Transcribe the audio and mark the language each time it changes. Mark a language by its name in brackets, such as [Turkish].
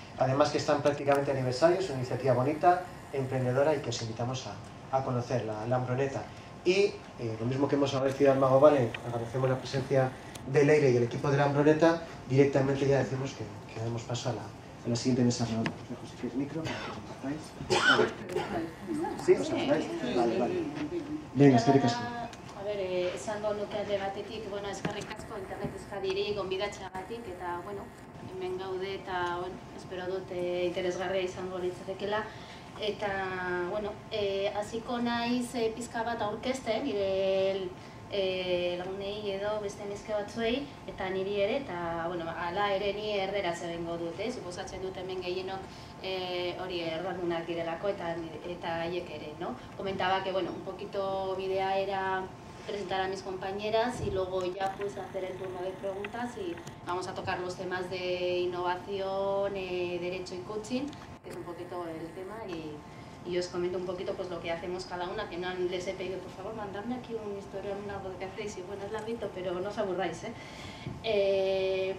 [Spanish] Además que están prácticamente aniversario, es una iniciativa bonita, emprendedora y que os invitamos a conocer, la hambroneta. Y lo mismo que hemos agradecido al Mago Vale, agradecemos la presencia de Leire y el equipo de la hambroneta, directamente ya decimos que damos paso a la siguiente mesa redonda. Os dejo si queréis micro, ¿sí? ¿Os acordáis? Vale. Venga, [Basque] eskerrik asko. Esango nuke alde batetik, bueno, eskerrik asko internet euskadiri gonbidatzeagatik eta bueno, hemen gaude eta bueno, espero dut interesgarria izango litzatekeela eta bueno, hasiko naiz pizka bat aurkezten nire lagunei edo beste neske batzuei eta niri ere eta bueno, hala ere ni erderaz egingo dut, suposatzen dut hemen gehienok hori erdunak direlako eta haiek ere, no? [Spanish] Komentaba que bueno, un poquito bidea era presentar a mis compañeras y luego ya pues hacer el turno de preguntas y vamos a tocar los temas de innovación, derecho y coaching, que es un poquito el tema y os comento un poquito pues lo que hacemos cada una, que no les he pedido por favor mandarme aquí un historial, algo que hacéis y bueno, es larguito, pero no os aburráis, ¿eh?